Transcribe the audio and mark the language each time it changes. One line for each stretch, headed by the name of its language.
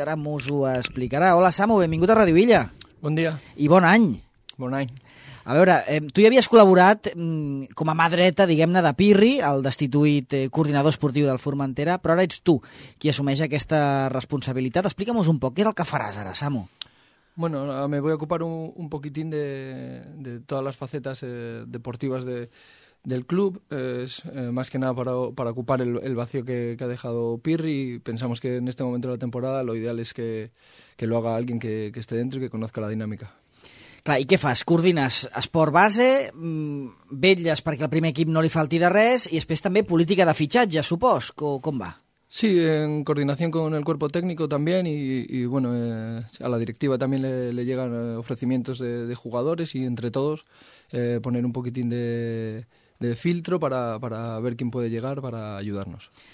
Catalan: Ara m'ho explicarà. Hola, Samu, benvingut a Ràdio Illa. Bon dia. I bon any. Bon any. A veure, tu ja havies col·laborat com a mà dreta, diguem-ne, de Pirri, el destituït coordinador esportiu del Formentera, però ara ets tu qui assumeix aquesta responsabilitat. Explica'm-ho un poc, què és el que faràs ara, Samu?
Spanish: Bueno, me voy a ocupar un poquitín de todas las facetas deportivas del club. Es más que nada para ocupar el vacío que ha dejado Pirri. Pensamos que en este momento de la temporada lo ideal es que lo haga alguien que esté dentro y que conozca la dinámica.
Catalan: Clar, i què fas? Coordines esport base, vetlles perquè el primer equip no li falti de res i després també política de fitxatge, supòs. Com va?
Spanish: Sí, en coordinación con el cuerpo técnico también y bueno, a la directiva también le llegan ofrecimientos de jugadores y entre todos poner un poquitín de filtro para ver quién puede llegar para ayudarnos.